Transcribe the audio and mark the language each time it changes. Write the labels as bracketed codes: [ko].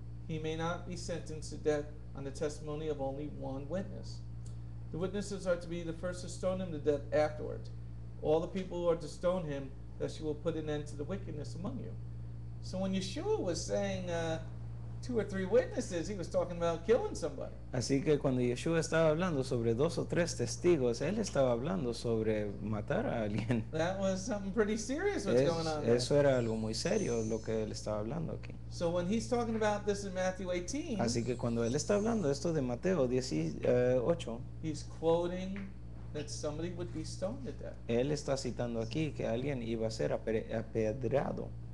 [en] He may not be sentenced to death on the testimony of only one witness. The witnesses are to be the first to stone him to death afterward. All the people who are to stone him, thus you will put an end to the wickedness among you. So when Yeshua was saying two or three witnesses, he was talking about killing somebody. [es] Así que cuando Yeshua estaba hablando sobre dos o tres testigos, él estaba hablando sobre matar a alguien. [en] That was something pretty serious what's going on there. [es] Eso era algo muy serio lo que él estaba hablando aquí. [en] So when he's talking about this in Matthew 18, [es] así que cuando él está hablando esto de Mateo 18, [en] he's quoting that somebody would be stoned to death. [es] Él está citando aquí que alguien iba a ser apedreado.